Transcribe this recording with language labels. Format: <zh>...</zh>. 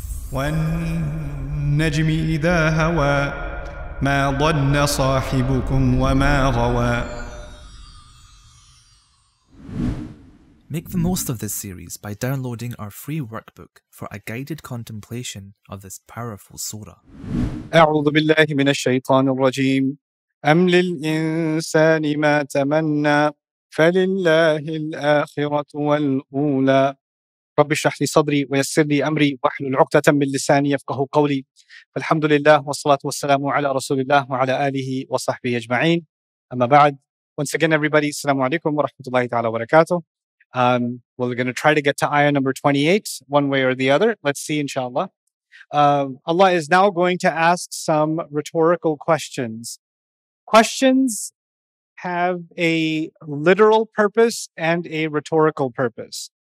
<ar>When najmi idha hawa ma dhanna sahibukum wa ma ghawa.</ar> <en>Make the most of this series by downloading our free workbook for a guided contemplation of this powerful surah.</en> <ar>أعوذ بالله من الشيطان الرجيم أم للإنسان ما تمنى فلله الآخرة والأولى رب اشرح لي صدري ويسر لي أمري واحلل عقدة من لساني يفقه قولي فالحمد لله والصلاة والسلام على رسول الله وعلى آله وصحبه أجمعين أما بعد.</ar> <en>Once again everybody,</en> <ar>السلام عليكم ورحمة الله تعالى وبركاته.</ar> <en>Well, we're going to try to get to ayah number 28, one way or the other. Let's see, inshallah. Allah is now going to ask some rhetorical questions. Questions have a literal purpose and a rhetorical purpose.</en>